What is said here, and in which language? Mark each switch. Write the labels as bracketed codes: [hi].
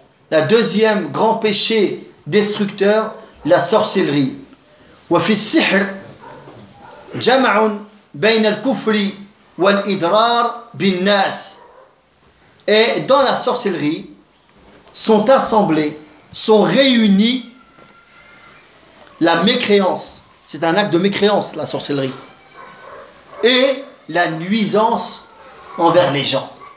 [fr] La deuxième grand péché destructeur, la sorcellerie. [ar] وفي السحر جمع بين الكفر والإدرار بالناس. [fr] Et dans la sorcellerie sont assemblés, sont réunis la mécréance. C'est un acte de mécréance, la sorcellerie. Et la nuisance envers les gens.